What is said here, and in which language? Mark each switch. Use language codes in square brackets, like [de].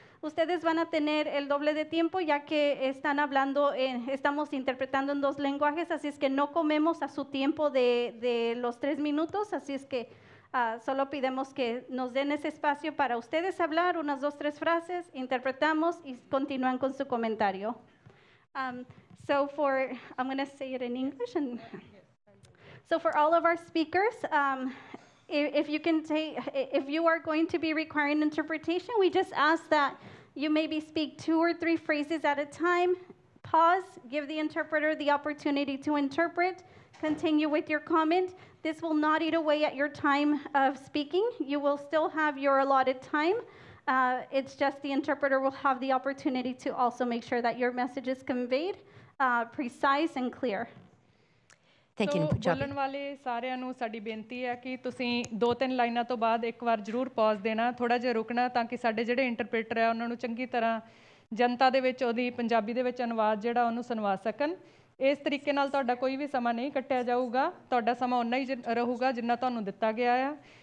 [es] Ustedes van a tener el doble de tiempo, ya que están hablando, estamos interpretando en dos lenguajes, así es que no comemos a su tiempo de los tres minutos, así es que solo pidemos que nos den ese espacio para ustedes hablar, unas dos, tres frases, interpretamos y continúan con su comentario. [en] I'm going to say it in English. So for all of our speakers, if you are going to be requiring interpretation, we just ask that you maybe speak two or three phrases at a time, pause, give the interpreter the opportunity to interpret, continue with your comment. This will not eat away at your time of speaking. You will still have your allotted time. It's just the interpreter will have the opportunity to also make sure that your message is conveyed precise and clear. Thank you, Punjabi. [pa] ਬੋਲਣ ਵਾਲੇ ਸਾਰਿਆਂ ਨੂੰ ਸਾਡੀ ਬੇਨਤੀ ਹੈ ਕਿ ਤੁਸੀਂ ਦੋ ਤਿੰਨ ਲਾਈਨਾਂ ਤੋਂ ਬਾਅਦ ਇੱਕ ਵਾਰ ਜ਼ਰੂਰ ਪਾਜ਼ ਦੇਣਾ, ਥੋੜਾ ਜਿਹਾ ਰੁਕਣਾ ਤਾਂ ਕਿ ਸਾਡੇ ਜਿਹੜੇ ਇੰਟਰਪ੍ਰੀਟਰ ਆ ਉਹਨਾਂ ਨੂੰ ਚੰਗੀ ਤਰ੍ਹਾਂ ਜਨਤਾ ਦੇ ਵਿੱਚ ਉਹਦੀ ਪੰਜਾਬੀ ਦੇ ਵਿੱਚ ਅਨੁਵਾਦ ਜਿਹੜਾ ਉਹਨੂੰ ਸੁਣਵਾ ਸਕਣ। ਇਸ ਤਰੀਕੇ ਨਾਲ ਤੁਹਾਡਾ ਕੋਈ ਵੀ ਸਮਾਂ ਨਹੀਂ ਕੱਟਿਆ ਜਾਊਗਾ, ਤੁਹਾਡਾ ਸਮਾਂ ਉਨਾ ਹੀ ਰਹੂਗਾ ਜਿੰਨਾ ਤੁਹਾਨੂੰ ਦਿੱਤਾ ਗਿਆ ਆ।